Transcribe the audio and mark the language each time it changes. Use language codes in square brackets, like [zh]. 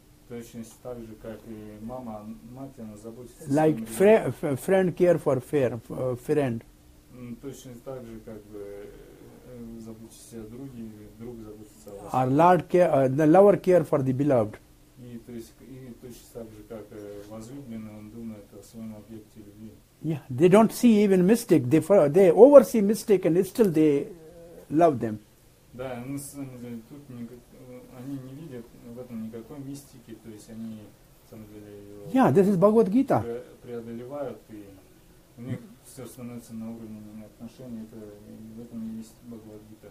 [ru] Точно так же, как и мама, мать, она заботится. [en] Like friend care for friend. [ru] Точно так же, как бы заботиться о друге, друг заботится о вас. [en] Our Lord care, the lover care for the beloved. [ru] И точно так же, как возлюбленный, он думает о своем объекте любви. [en] Yeah, they don't see even mystic. They oversee mystic and still they love them. [ru] Да, на самом деле тут они не видят в этом никакой мистики, то есть они на самом деле его. [en] Yeah, this is Bhagavad Gita. [ru] Преодолевают и у них все становится на уровне отношений. Это в этом и есть Bhagavad Gita.